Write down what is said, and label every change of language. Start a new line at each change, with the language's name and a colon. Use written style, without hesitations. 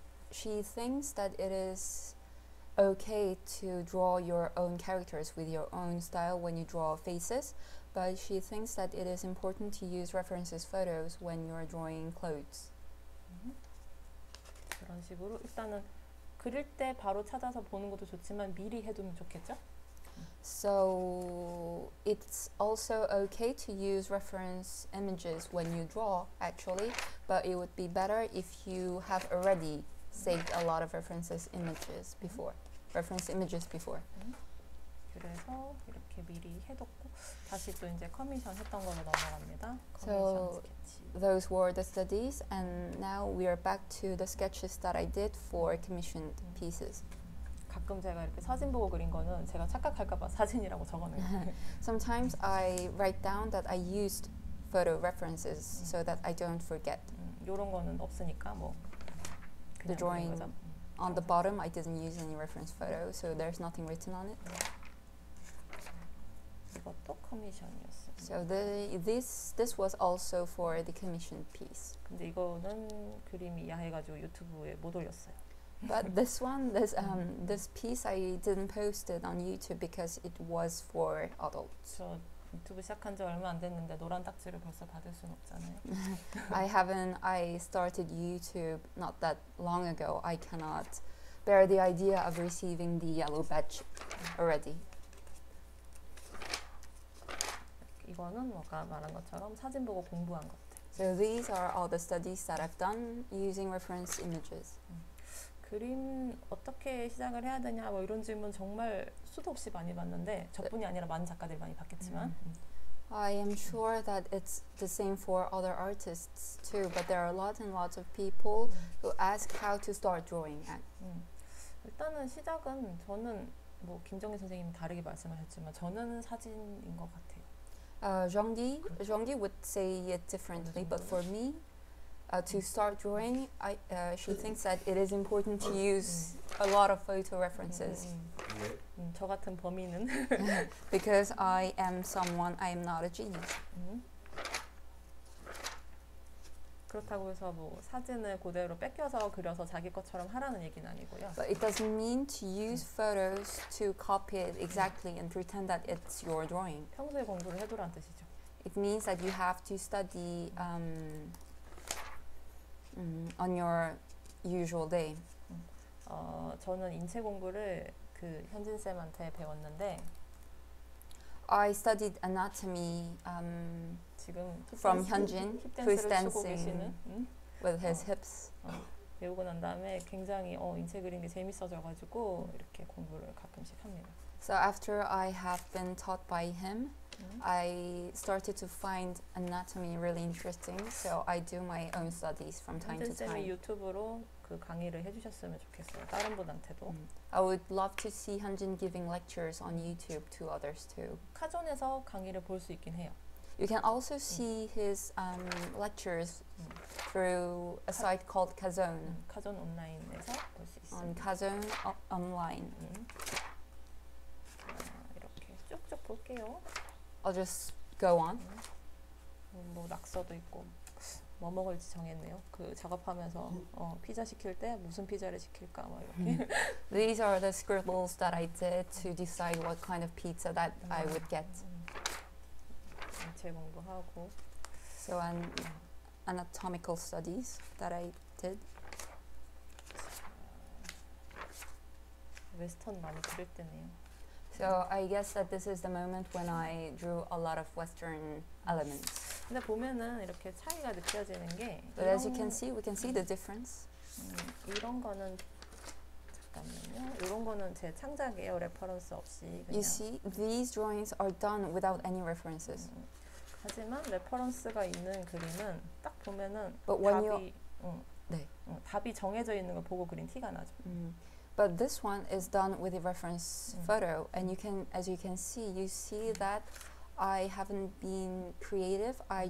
English: She thinks that it is okay to draw your own characters with your own style when you draw faces, but she thinks that it is important to use references photos when you are drawing clothes.
Korean: 그런 식으로 일단은 그릴 때 바로 찾아서 보는 것도 좋지만 미리 해두면 좋겠죠?
English: So it's also okay to use reference images when you draw actually, but it would be better if you have already saved a lot of references images before. Reference images before.
Korean: 그래서 이렇게 미리 해뒀고 다시 또 이제 커미션 했던 걸로 넘어갑니다.
English: So those were the studies, and now we are back to the sketches that I did for commissioned pieces.
Korean: 가끔 제가 이렇게 사진 보고 그린 거는 제가 착각할까봐 사진이라고 적어놔요.
English: Sometimes I write down that I used photo references so that I don't forget.
Korean: 이런 거는 없으니까 뭐
English: the drawing. On the bottom, I didn't use any reference photo, so there's nothing written on it.
Korean: 이것도 커미션이었어요.
English: So this was also for the commissioned piece.
Korean: 근데 이거는 그림이 야해가지고 유튜브에 못 올렸어요.
English: But this one, this piece, I didn't post it on YouTube because it was for adults.
Korean: 저 유튜브 시작한 지 얼마 안 됐는데 노란 딱지를 벌써 받을 순 없잖아요.
English: I started YouTube not that long ago. I cannot bear the idea of receiving the yellow badge already.
Korean: 이거는 아까 말한 것처럼 사진 보고 공부한 것들.
English: So these are all the studies that I've done using reference images.
Korean: 그림 어떻게 시작을 해야 되냐 뭐 이런 질문 정말 수도 없이 많이 받는데 저뿐이 아니라 많은 작가들이 많이 받겠지만
English: I am sure that it's the same for other artists too, but there are lots and lots of people who ask how to start drawing.
Korean: 일단은 시작은 저는 뭐 김정희 선생님 다르게 말씀하셨지만 저는 사진인 것 같아요.
English: Jeonggi would say it differently, but for me. To start drawing, she thinks that it is important to use a lot of photo references.
Korean: 저 같은 범인은
English: because I am someone, I am not a genius.
Korean: 그렇다고 해서 뭐 사진을 그대로 뺏겨서 그려서 자기 것처럼 하라는 얘기는 아니고요.
English: But it doesn't mean to use photos to copy it exactly and pretend that it's your drawing.
Korean: 평소에 공부를 해두란 뜻이죠.
English: It means that you have to study. On your usual day.
Korean: 저는 인체 공부를 그 현진 쌤한테 배웠는데.
English: I studied anatomy.
Korean: 지금
English: from Hyunjin, who is dancing with his hips.
Korean: 배우고 난 다음에 굉장히 인체 그리는 게 재밌어져가지고 이렇게 공부를 가끔씩 합니다.
English: So after I have been taught by him, I started to find anatomy really interesting. So I do my own studies from time to time.
Korean: 한진쌤이 유튜브로 그 강의를 해주셨으면 좋겠어요. 다른 분한테도.
English: I would love to see Hanjin giving lectures on YouTube to others too.
Korean: 카존에서 강의를 볼 수 있긴 해요.
English: You can also see his lectures through a site called Kazone.
Korean: Kazone Online에서 볼 수 있어요.
English: On Kazone Online.
Korean: 이렇게 쭉쭉 볼게요.
English: I'll just go on.
Korean: 뭐 낙서도 있고 뭐 먹을지 정했네요. 그 작업하면서 피자 시킬 때 무슨 피자를 시킬까 막 이렇게.
English: These are the scribbles that I did to decide what kind of pizza that I would get.
Korean: 인체 공부하고.
English: So an anatomical studies that I did.
Korean: 웨스턴 많이 그릴 때네요.
English: So I guess that this is the moment when I drew a lot of Western elements.
Korean: 근데 보면은 이렇게 차이가 느껴지는 게.
English: But as you can see, we can see the difference.
Korean: 이런 거는 잠깐만요. 이런 거는 제 창작이에요. 레퍼런스 없이. 그냥.
English: You see, these drawings are done without any references.
Korean: 하지만 레퍼런스가 있는 그림은 딱 보면은
English: But
Korean: 답이 네. 답이 정해져 있는 걸 보고 그린 티가 나죠.
English: But this one is done with a reference photo, and you can, as you can see, you see that I haven't been creative.